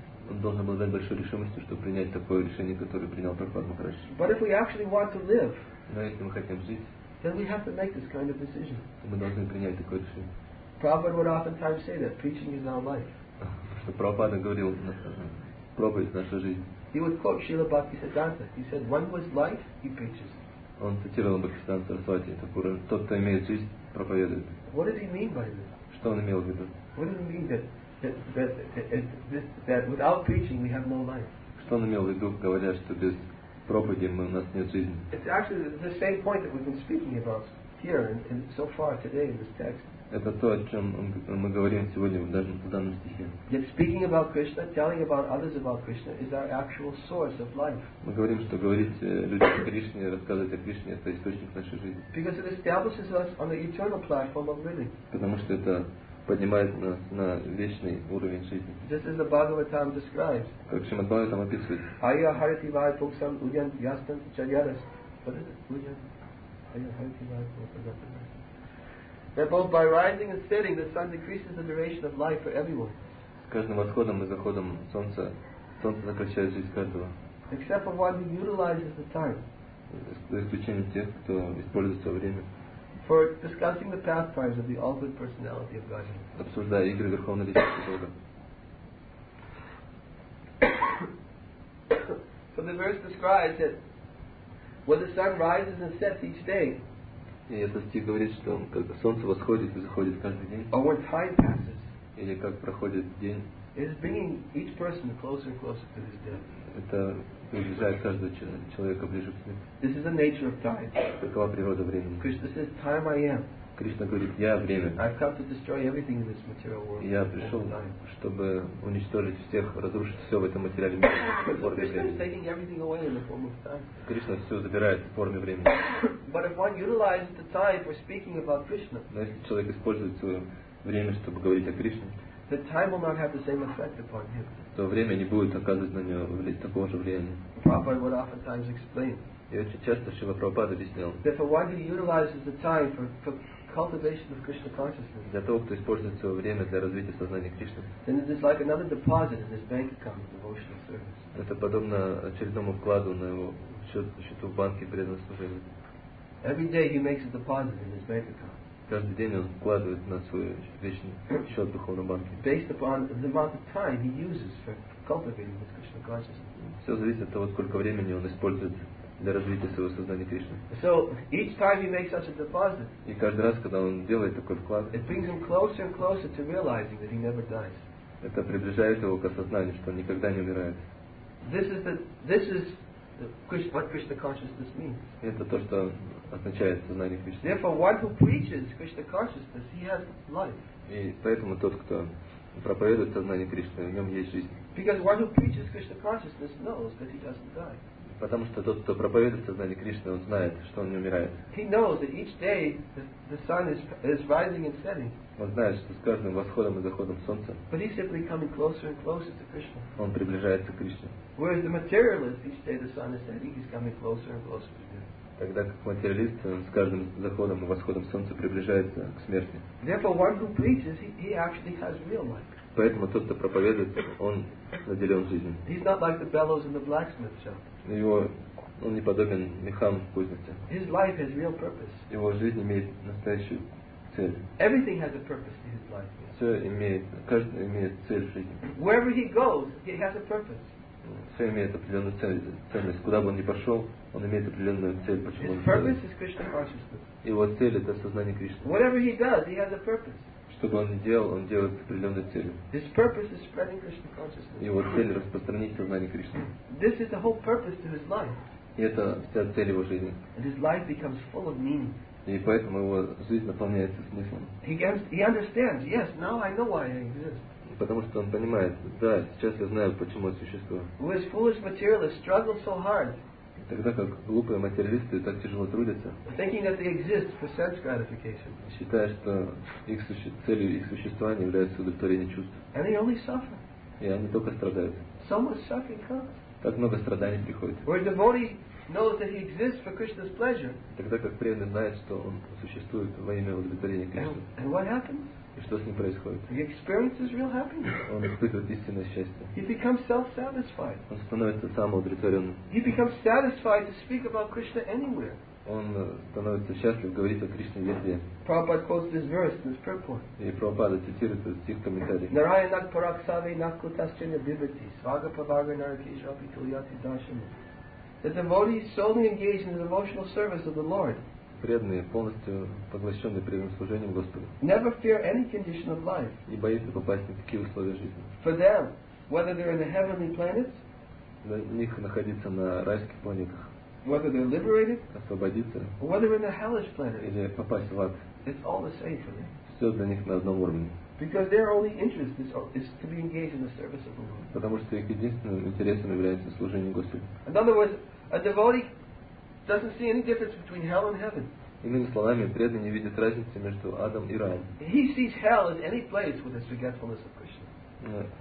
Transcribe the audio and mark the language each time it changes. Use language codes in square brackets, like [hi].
[ru] Он должен обладать большой решимостью, чтобы принять такое решение, которое принял Прахлад Махарадж. Но если мы хотим жить, то мы должны принять такое решение. [en] Prabhupada would oftentimes say that preaching is our life. [ru] Что Прабхупада говорил, проповедь — наша жизнь. [en] He would quote Srila Bhaktisiddhanta. He said, one was life, he preaches. [ru] Он цитировал Бхагаван Сарасвати, Такура, тот, кто имеет жизнь, проповедует. [en] What did he mean by this? [ru] Что он имел в виду? [en] What did he mean that without preaching we have no life? [ru] Что он имел в виду, говоря, что без проповеди у нас нет жизни? [en] It's actually the same point that we've been speaking about here and so far today in this text. [ru] Это то, о чем мы говорим сегодня, даже в данном стихе. [en] Yet speaking about Krishna, telling about others about Krishna is our actual source of life. [ru] Мы говорим, что говорить людям о Кришне, рассказывать о Кришне, это источник нашей жизни. [en] Because it establishes us on the eternal platform of living. [ru] Потому что это поднимает нас на вечный уровень жизни. [en] Just as the Bhagavatam describes. [ru] Как Шримад Бхагаватам описывает. [sa] Айя харити вай пуксам уян ястан чарьярас. [en] What is it? [sa] Уян? Айя харити вай пуксам. [en] That both by rising and setting, the sun decreases the duration of life for everyone. [ru] С каждым восходом и заходом солнца, солнце сокращает жизнь каждого. [en] Except for one who utilizes the time. [ru] За исключением тех, кто использует свое время. [en] For discussing the pastimes of the all good personality of God. [ru] Обсуждая игры Верховной Личности Бога. [en] So the verse describes that when the sun rises and sets each day. [ru] И этот стих говорит, что когда солнце восходит и заходит каждый день, [en] when time passes, [ru] или как проходит день, [en] it is bringing each person closer and closer to his death. [ru] Это приближает каждого человека ближе к смерти. [en] This is the nature of time. [ru] Какова природа времени? [en] Krishna says, "Time I am." [ru] Кришна говорит, я время. [en] I've come to destroy everything in this material world. [ru] Я пришел, чтобы уничтожить всех, разрушить все в этом материальном мире. [en] Krishna is taking everything away in the form of time. [ru] Кришна все забирает в форме времени. [en] But if one utilizes the time for speaking about Krishna, [ru] но если человек использует свое время, чтобы говорить о Кришне, [en] the time will not have the same effect upon him. [ru] То время не будет оказывать на него такого же влияния. [en] Prabhupada would oftentimes explain. [ru] И очень часто Шрила Прабхупада объяснял. [en] That for one who utilizes the time for cultivation of Krishna consciousness. [ru] Для того, кто использует свое время для развития сознания Кришны. [en] Then it is like another deposit in his bank account of devotional service. [ru] Это подобно очередному вкладу на его счету в банке преданного служения. [en] Every day he makes a deposit in his bank account. [ru] Каждый день он вкладывает на свой вечный счет в духовном банке. [en] Based upon the amount of time he uses for cultivating his Krishna consciousness. [ru] Все зависит от того, сколько времени он использует для развития своего сознания Кришны. [en] So each time he makes such a deposit, [ru] и каждый раз, когда он делает такой вклад, [en] it brings him closer and closer to realizing that he never dies. [ru] Это приближает его к осознанию, что он никогда не умирает. [en] This is what Krishna consciousness means. [ru] Это то, что означает сознание Кришны. [en] Therefore, one who preaches Krishna consciousness, he has life. [ru] И поэтому тот, кто проповедует сознание Кришны, в нем есть жизнь. [en] Because one who preaches Krishna consciousness knows that he doesn't die. [ru] Потому что тот, кто проповедует сознание Кришны, он знает, что он не умирает. [en] He knows that each day the sun is rising and setting. [ru] Он знает, что с каждым восходом и заходом солнца. [en] But he's simply coming closer and closer to Krishna. [ru] Он приближается к Кришне. [en] Whereas the materialist, each day the sun is setting, he's coming closer and closer to death. [ru] Тогда как материалист, он с каждым заходом и восходом солнца приближается к смерти. [en] Therefore, one who preaches, he actually has real life. [ru] Поэтому тот, кто проповедует, он наделен жизнью. [en] He's not like the bellows in the blacksmith shop. [ru] Его, он не подобен мехам в кузнице. [en] His life has real purpose. [ru] Его жизнь имеет настоящую цель. [en] Everything has a purpose in his life. [ru] Все имеет, каждый имеет цель в жизни. [en] Wherever he goes, he has a purpose. [ru] Все имеет определенную ценность. Куда бы он ни пошел, он имеет определенную цель. Почему? [en] His purpose is Krishna consciousness. [ru] Его цель это сознание Кришны. [en] Whatever he does, he has a purpose. [ru] Что бы он ни делал, он делает с определенной целью. [en] His purpose is spreading Krishna consciousness. [ru] Его цель — распространить сознание Кришны. [en] This is the whole purpose to his life. [ru] И это вся цель его жизни. [en] And his life becomes full of meaning. [ru] И поэтому его жизнь наполняется смыслом. [en] He understands, yes, now I know why I exist. [ru] Потому что он понимает, да, сейчас я знаю, почему я существую. [en] Who is foolish materialist struggles so hard. [ru] Тогда как глупые материалисты так тяжело трудятся, [en] thinking that they exist for sense gratification, [ru] считая, что их целью их существования является удовлетворение чувств. [en] And they only suffer. [ru] И они только страдают. [en] So much suffering comes. [ru] Так много страданий приходит. [en] Where a devotee knows that he exists for Krishna's pleasure. [ru] Тогда как преданный знает, что он существует во имя удовлетворения Кришны. [en] And what happens? [ru] И что с ним происходит? [en] He experiences real happiness. [ru] Он испытывает истинное счастье. [en] He becomes self-satisfied. [ru] Он становится самоудовлетворенным. [en] He becomes satisfied to speak about Krishna anywhere. [ru] Он становится счастлив говорить о Кришне везде. [en] Prabhupada quotes this verse in his purport. [ru] И Прабхупада цитирует этот стих в комментарии. [sa] Narayanak paraksave nakutaschena bibhati svaga pavaga narakisha apituyati dashami. [en] The devotee is solely engaged in the devotional service of the Lord. [ru] Преданные, полностью поглощенные преданным служением Господу. [en] Never fear any condition of life. [ru] Не боится попасть ни в какие условия жизни. [en] For them, whether they're in the heavenly planets, [ru] для них находиться на райских планетах, [en] whether they're liberated, [ru] освободиться, [en] whether in the hellish planets, [ru] или попасть в ад, [en] it's all the same for them. [ru] все для них на одном уровне. [en] Because their only interest is to be engaged in the service of the Lord. [ru] Потому что их единственным интересом является служение Господу. [en] In other words, a devotee doesn't see any difference between hell and heaven. [ru] Иными словами, преданный не видит разницы между адом и раем. [en] He sees hell as any place with this forgetfulness of Krishna.